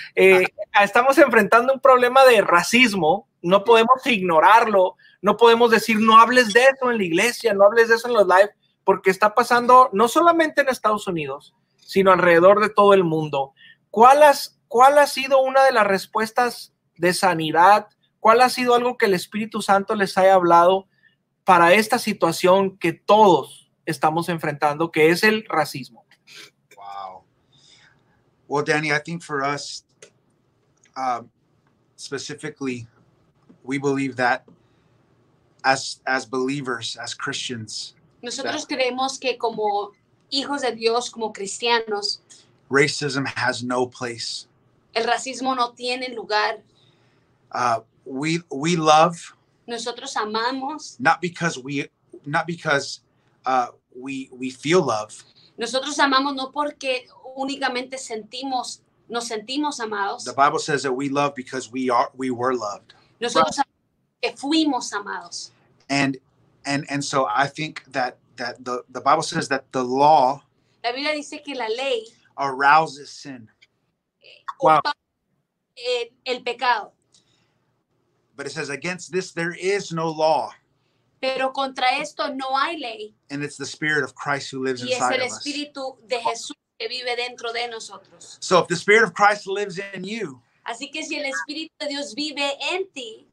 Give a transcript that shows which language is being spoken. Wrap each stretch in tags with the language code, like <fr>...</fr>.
<es>Estamos enfrentando un problema de racismo, no podemos ignorarlo, no podemos decir, no hables de eso en la iglesia, no hables de eso en los live, porque está pasando no solamente en Estados Unidos, sino alrededor de todo el mundo. ¿Cuál ha sido una de las respuestas de sanidad? ¿Cuál ha sido algo que el Espíritu Santo les haya hablado para esta situación que todos estamos enfrentando, que es el racismo? Wow.</es> <en>Well, Danny, I think for us, specifically, we believe that as believers, as Christians,</en> <es>nosotros creemos que como hijos de Dios, como cristianos,</es> <en>racism has no place.</en> <es>El racismo no tiene lugar.</es> <en>We love.</en> <es>Nosotros amamos.</es> <en>Not because we feel love.</en> <es>Nosotros amamos no porque únicamente nos sentimos amados.</es> <en>The Bible says that we love because we were loved.</en> <es>Nosotros que fuimos amados.</es> <en>And so I think that the Bible says that the law,</en> <es>la Biblia dice que la ley,</es> <en>arouses sin.</en> <es>Wow. El pecado.</es> <en>But it says against this there is no law.</en> <es>Pero contra esto no hay ley.</es> <en>And it's the Spirit of Christ who lives</en> <es>y</es> <en>inside</en> <es>es el</es> <en>of</en> <es>Espíritu</es> <en>us.</en> <es>De Jesús que vive dentro de nosotros.</es> <en>So if the Spirit of Christ lives in you,</en> <es>así que si el Espíritu de Dios vive en ti,</es>